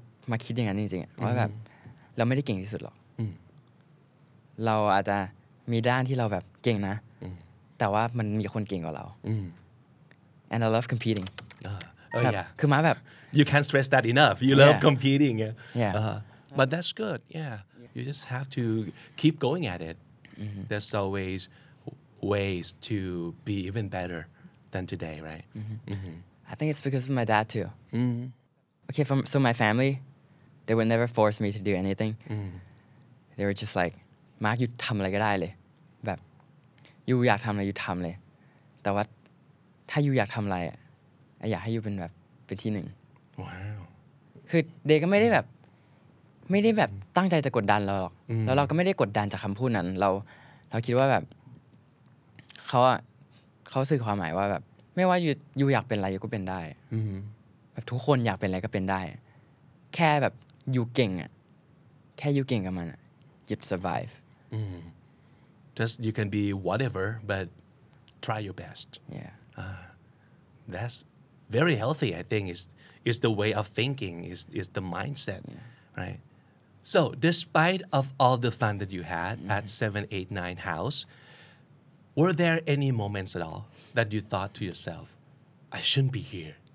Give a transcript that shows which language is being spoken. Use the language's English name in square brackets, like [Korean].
[Thai] มาคิดอย่างนั้นจริงๆว่าแบบเราไม่ได้เก่งที่สุดหรอกเราอาจจะมีด้านที่เราแบบเก่งนะแต่ว่ามันมีคนเก่งกว่าเรา [English] and I love competing yeah [Thai] คือมาแบบ [English] you can't stress that enough you love competing yeah but that's good yeah you just have to keep going at it there's always ways to be even better than today right I think it's because of my dad too okay so my family they would never force me to do anything they were just like [Thai] มาร์คอยู่ทำอะไรก็ได้เลยแบบยูอยากทำอะไรยูทำเลยแต่ว่าถ้ายูอยากทำอะไรอ่ะอยากให้ยูเป็นแบบเป็นที่หนึ่ง ว้าว คือเด็กก็ไม่ได้แบบไม่ได้แบบตั้งใจจะกดดันเราหรอกแล้วเราก็ไม่ได้กดดันจากคำพูดนั้นเราคิดว่าแบบเขาสื่อความหมายว่าแบบไม่ว่ายูอยากเป็นอะไรยูก็เป็นได้แบบทุกคนอยากเป็นอะไรก็เป็นได้แค่แบบยูเก่งอ่ะแค่ยูเก่งกับมัน [English] You'd survive. Just you can be whatever, but try your best. Yeah. That's very healthy, I think. Is the way of thinking, is the mindset, yeah. right? So despite of all the fun that you had at 789 house, were there any moments at all that you thought to yourself, I shouldn't be here.